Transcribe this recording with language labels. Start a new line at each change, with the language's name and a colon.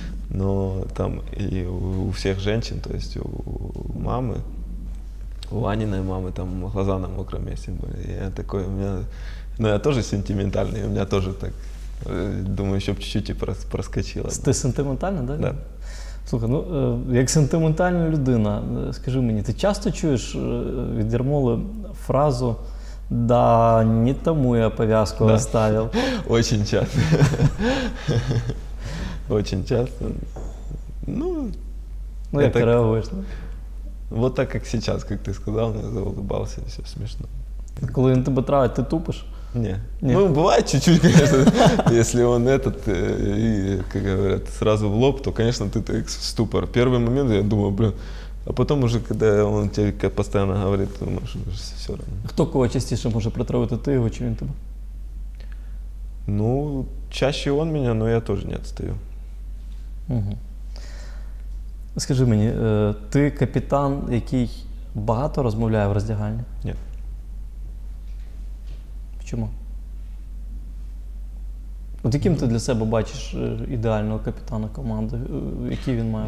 Russian: Но там и у всех женщин, то есть у мамы, у Аниной мамы, там глаза на мокром месте были. Я такой, у меня... Ну, я тоже сентиментальный, у меня тоже так... Думаю, еще чуть-чуть и проскочило. Ты сентиментальный, да? Да.
Ukrainian: Слухай, ну, як сентиментальна людина, скажи мені, ти часто чуєш від Ярмоли фразу «Да, не тому я повязку оставил».
Russian: Очень часто. Очень часто. Ну,
Ukrainian: ну я так реагую.
Russian: Вот так, как сейчас, как ты сказал, я заулыбался, и все смешно.
Ukrainian: Коли він тебе травит, ты тупиш?
Russian: Не. Ну, бывает чуть-чуть, конечно. Если он этот, как говорят, сразу в лоб, то, конечно, ты так в ступор. Первый момент я думал, блин. А потом уже, когда он тебе постоянно говорит, думаешь, все равно.
Ukrainian: Кто кого частіше може протравити, ти його чи він тебе?
Russian: Ну, чаще он меня, но я тоже не отстаю. Угу.
Ukrainian: Скажи мені, ти капітан, який багато розмовляє в роздягальні? Ні. Чому? От яким ти для себе бачиш ідеального капітана команди? Який він має